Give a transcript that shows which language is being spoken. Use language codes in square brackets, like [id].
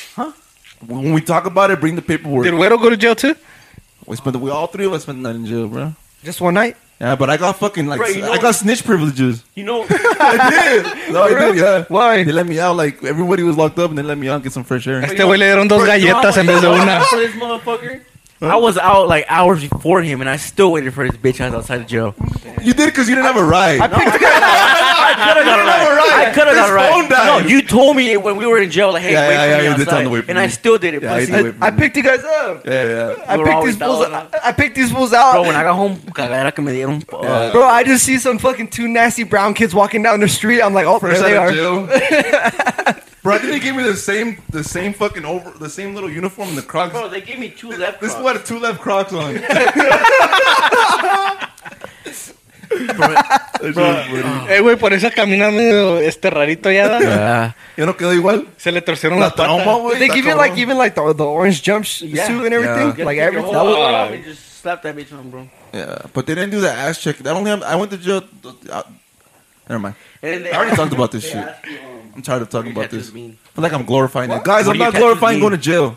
[en] huh? When we talk about it, bring the paperwork. Did Weddle go to jail too? We all three of us spent the night in jail, bro. Just one night? Yeah, but I got fucking like I got snitch privileges. You know, I did. No, I did. Yeah. Why? They let me out. Like everybody was locked up, and they let me out and get some fresh air. [es] Este güey le dieron dos galletas en vez de una. [en] For this motherfucker. I was out like hours before him, and I still waited for his bitch ass outside of jail. You did because you didn't have a ride. I could have got a ride. Phone died. No, you told me when we were in jail, like, "Hey, yeah, wait for me outside." Time to wait for and me. I still did it. Yeah, pussy. I picked you guys up. Yeah. I picked these fools out. Bro, when I got home, [es] cagada que me dieron. [en] Bro, I just see some fucking two nasty brown kids walking down the street. I'm like, oh, there they are. Bro, I think they gave me the same fucking over the same little uniform and the Crocs. Bro, they gave me two left Crocs. This boy had two left Crocs on. [es] Hey, güey, por esa camina medio este rarito ya. Yo no quedo igual. Se le torcieron las patas. [en] They give you like even like the orange jump suit and everything, like everything. Just slap that bitch on, bro. Yeah, but they didn't do the ass check. I went to jail. Never mind. I already talked about this shit. I'm tired of talking about this. I feel like I'm glorifying it. Guys, I'm not glorifying going to jail.